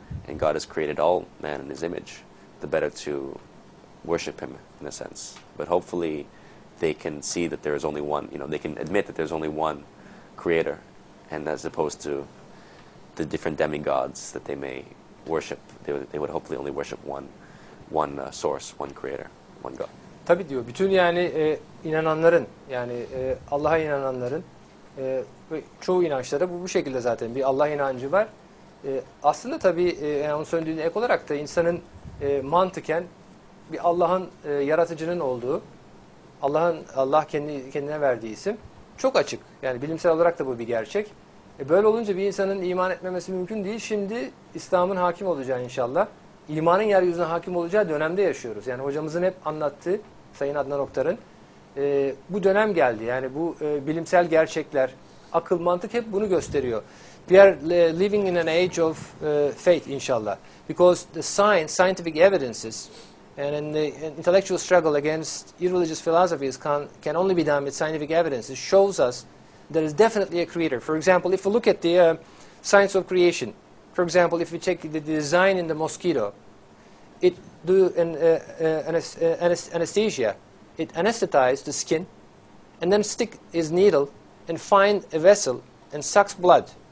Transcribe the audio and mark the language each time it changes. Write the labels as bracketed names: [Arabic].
[English] And God has created all man in his image, the better to worship him, in a sense. But hopefully, they can see that there is only one, you know, they can admit that there's only one creator, and as opposed to the different demigods that they may worship, they would hopefully only worship one source, one creator, one God. [Turkish] Tabii diyor, bütün yani inananların, yani Allah'a inananların, çoğu inançlarda bu şekilde zaten bir Allah inancı var. Aslında tabii onun söylediğine ek olarak da insanın mantıken bir Allah'ın yaratıcının olduğu, Allah kendine verdiği isim çok açık. Yani bilimsel olarak da bu bir gerçek. Böyle olunca bir insanın iman etmemesi mümkün değil. Şimdi İslam'ın hakim olacağı inşallah, imanın yeryüzüne hakim olacağı dönemde yaşıyoruz. Yani hocamızın hep anlattığı Sayın Adnan Oktar'ın bu dönem geldi. Yani bu bilimsel gerçekler, akıl, mantık hep bunu gösteriyor. [English] We are living in an age of faith, inshallah. Because the scientific evidences and intellectual struggle against irreligious philosophies can only be done with scientific evidences shows us there is definitely a creator. For example, if we look at the science of creation, for example, if we check the design in the mosquito, it anesthetized the skin and then stick his needle and find a vessel and sucks blood.